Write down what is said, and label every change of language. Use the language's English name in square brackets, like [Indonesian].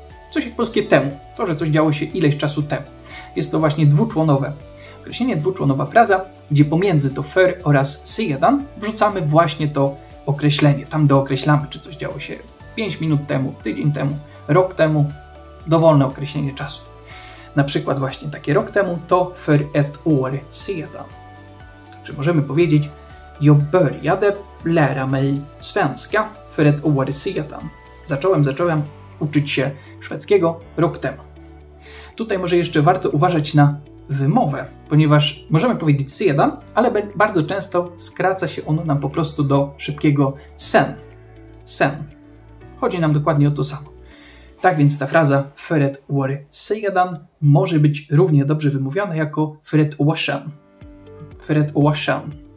[Polish] Coś jak polskie temu, to, że coś działo się ileś czasu temu. Jest to właśnie dwuczłonowe. Określenie dwuczłonowa fraza, gdzie pomiędzy to för oraz sedan wrzucamy właśnie to określenie. Tam dookreślamy, czy coś działo się 5 minut temu, tydzień temu, rok temu. Dowolne określenie czasu. Na przykład właśnie takie rok temu to [Swedish] för ett år sedan. [Polish] Czy możemy powiedzieć [Swedish] jag började lära mig svenska för ett år sedan. [Polish] Zacząłem uczyć się szwedzkiego rok temu. Tutaj może jeszcze warto uważać na wymowę, ponieważ możemy powiedzieć sedan, ale bardzo często skraca się ono nam po prostu do szybkiego sen. Sen. Chodzi nam dokładnie o to samo. Tak więc ta fraza [Swedish] för ett år sedan [Polish] może być równie dobrze wymówiona jako för ett år sedan. [Swedish] För ett år sedan.